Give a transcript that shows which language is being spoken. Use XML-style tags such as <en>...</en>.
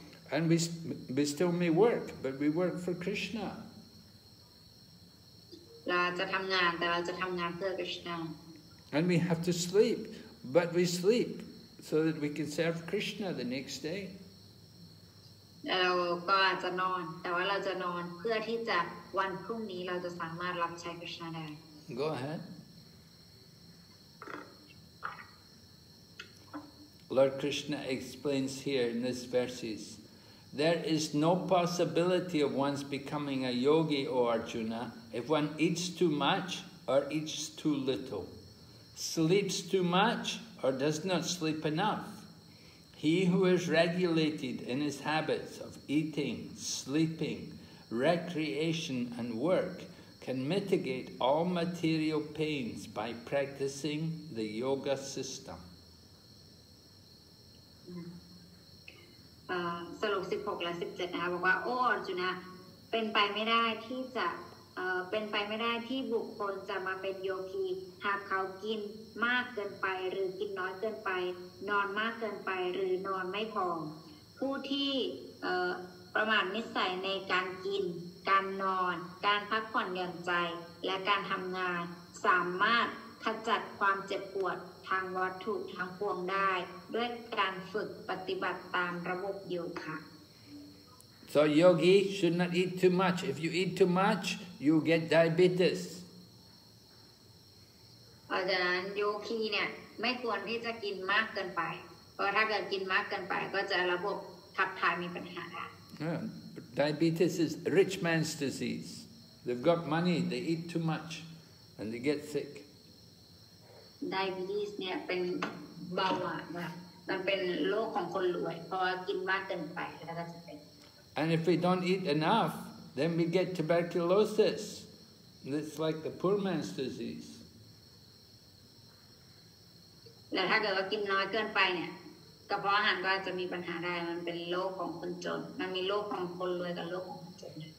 <en>And we still may work, but we work for Krishna. And we have to sleep, but we sleep so that we can serve Krishna the next day.</en> <th>เราก็อาจจะนอนแต่ว่าเราจะนอนเพื่อที่จะวันพรุ่งนี้เราจะสามารถรับใช้กฤษณะได้</th> <en>Go ahead Lord Krishna explains here in these verses, there is no possibility of one's becoming a yogi, O Arjuna, if one eats too much or eats too little, sleeps too much or does not sleep enough. He who is regulated in his habits of eating, sleeping, recreation and work can mitigate all material pains by practicing the yoga system.</en> <th>สรุป16และ17นะคะบอกว่าโอ้อาจารย์นะเป็นไปไม่ได้ที่จะเป็นไปไม่ได้ที่บุคคลจะมาเป็นโยคีหากเขากินมากเกินไปหรือกินน้อยเกินไปนอนมากเกินไปหรือนอนไม่พอผู้ที่ ประมาทนิสัยในการกินการนอนการพักผ่อนหย่อนใจและการทำงานสามารถขจัดความเจ็บปวดทางวัตถุทางปวงได้ด้วยการฝึกปฏิบัติตามระบบโยคะ</th> <en>So yogi should not eat too much. If you eat too much, you get diabetes.</en> <th>ดังนั้นโยคีเนี่ยไม่ควรที่จะกินมากเกินไปเพราะถ้าเกิดกินมากเกินไปก็จะระบบขับถ่ายมีปัญหา</th> <en>Diabetes is rich man's disease. They've got money, they eat too much, and they get sick.</en> <th>Diabetes เนี่ยเป็นเบาหวานนะมันเป็นโรคของคนรวยพอกินมากเกินไปแล้วก็จะเป็น</th> <en>And if we don't eat enough then we get tuberculosis it's like the poor man's disease</en> <th>แล้วถ้าเกิดว่ากินน้อยเกินไปเนี่ยกระเพาะอาหารก็จะมีปัญหาได้มันเป็นโรคของคนจนมันมีโรคของคนรวยกับโรคของคนจน</th>